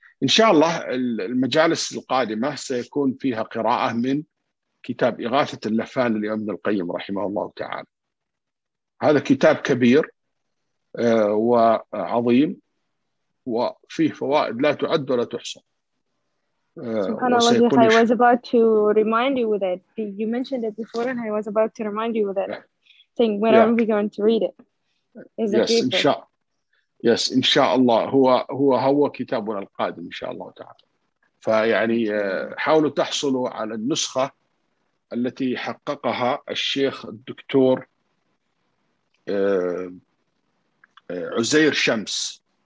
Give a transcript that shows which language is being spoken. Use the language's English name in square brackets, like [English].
[Arabic] إن شاء الله المجالس القادمة سيكون فيها قراءة من كتاب إغاثة اللفان لابن القيم رحمه الله تعالى. هذا كتاب كبير وعظيم وفيه فوائد لا تعد ولا تحصى. سبحان الله شيخ. [English] I was about to remind you with it. You mentioned it before and I was about to remind you with it. Saying when are we going to read it? [Arabic] Yes, إن شاء الله. يس إن شاء الله هو كتابنا القادم إن شاء الله تعالى. فيعني حاولوا تحصلوا على النسخة التي حققها الشيخ الدكتور عزير شمس.